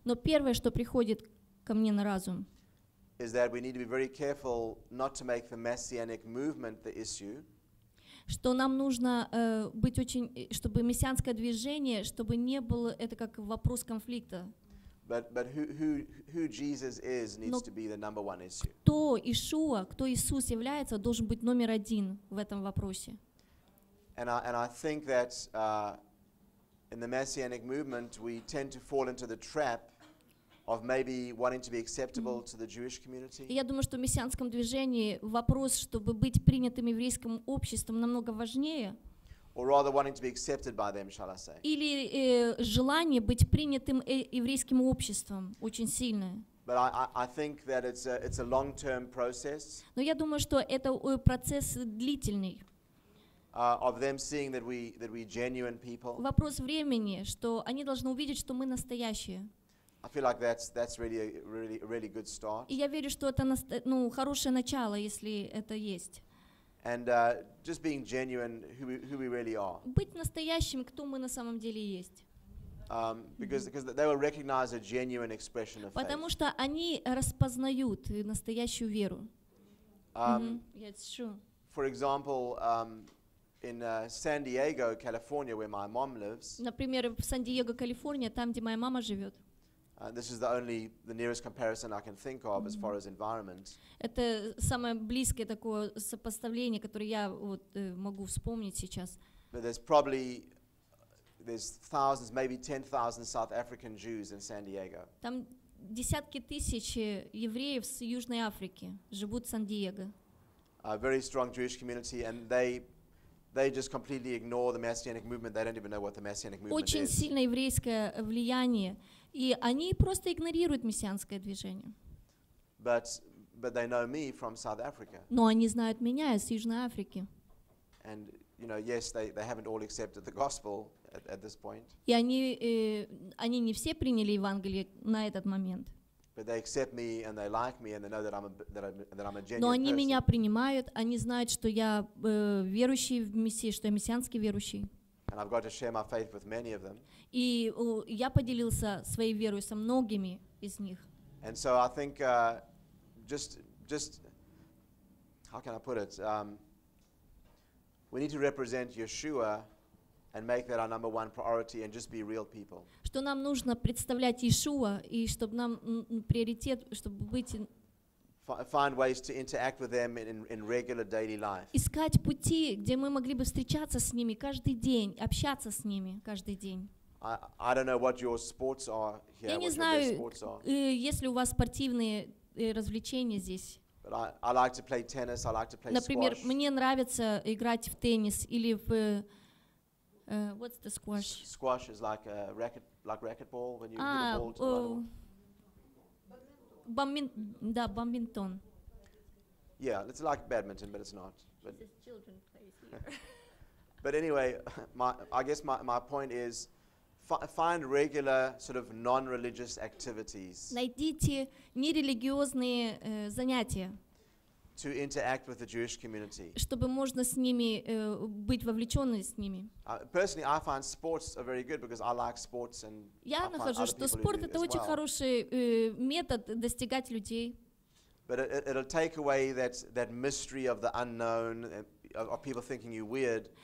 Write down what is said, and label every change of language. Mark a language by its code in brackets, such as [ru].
[ru] Но первое, что приходит ко мне на разум. [en] Is that we need to be very careful not to make the messianic movement the issue. [ru] Что нам нужно быть очень, чтобы мессианское движение, чтобы не было это как вопрос конфликта. [en] But who Jesus is needs to be the number one issue. [ru] Кто Иешуа, кто Иисус является, должен быть номер один в этом вопросе. [en] And I think that in the messianic movement we tend to fall into the trap of maybe wanting to be acceptable to the Jewish community. [ru] Я думаю, что в мессианском движении вопрос, чтобы быть принятым еврейским обществом, намного важнее. [en] Or rather wanting to be accepted by them, shall I say? [ru] Или желание быть принятым еврейским обществом очень сильное. [en] But I think that it's a long-term process. [ru] Но я думаю, что это процесс длительный. [en] Of them seeing that we genuine people. [ru] Вопрос времени, что они должны увидеть, что мы настоящие. [en] I feel like that's really a really really good start. [ru] И я верю, что это ну хорошее начало, если это есть. [en] And just being genuine, who we really are. [ru] Быть настоящим, кто мы на самом деле есть. [en] Because they will recognize a genuine expression of faith. [ru] Потому что они распознают настоящую веру. [en] Yeah, it's true. For example, in San Diego, California, where my mom lives. [ru] Например, в Сан-Диего, Калифорния, там, где моя мама живет. [en] This is the nearest comparison I can think of as far as environment. [ru] Это самое близкое такое сопоставление, которое я вот могу вспомнить сейчас. [en] But there's thousands, maybe 10,000 South African Jews in San Diego. [ru] Там десятки тысяч евреев с Южной Африки живут в Сан-Диего. [en] A very strong Jewish community, and they just completely ignore the messianic movement. They don't even know what the messianic movement [ru] Очень [en] is. [ru] Очень сильное еврейское влияние. И они просто игнорируют мессианское движение. [en] But they know me from South Africa. [ru] Но они знают меня из Южной Африки. [en] And you know, yes, they haven't all accepted the gospel at this point. [ru] И они не все приняли Евангелие на этот момент. [en] But they accept me and they like me and they know that I'm a genuine person. [ru] Но они меня принимают, они знают, что я верующий в Мессию, что я мессианский верующий. [en] And I've got to share my faith with many of them. [ru] И я поделился своей верой со многими из них. [en] And so I think just how can I put it? We need to represent Yeshua and make that our number one priority and just be real people. [ru] Что нам нужно представлять Иешуа и чтобы нам приоритет, чтобы быть [en] find ways to interact with them in regular daily life. [ru] Искать пути, где мы могли бы встречаться с ними каждый день, общаться с ними каждый день. [en] I don't know what your sports are here. [ru] Я не знаю, есть ли у вас спортивные развлечения здесь. [en] But I like to play tennis. I like to play squash. [ru] Например, мне нравится играть в теннис или в [en] what's the squash? Squash is like a racket, like racquetball when you hit a ball to another. [ru] Бадминтон. [en] Yeah, it's like badminton, but it's not. But Jesus, children play here. But anyway, I guess my point is find regular sort of non-religious activities. [ru] Найдите нерелигиозные занятия. [en] To interact with the Jewish community. [ru] Чтобы можно с ними быть вовлечённым с ними. [en] Personally, I find sports are very good because I like sports and. [ru] Я нахожу, что спорт это очень хороший метод достигать людей. [en] But it'll take away that mystery of the unknown, of people thinking you weird.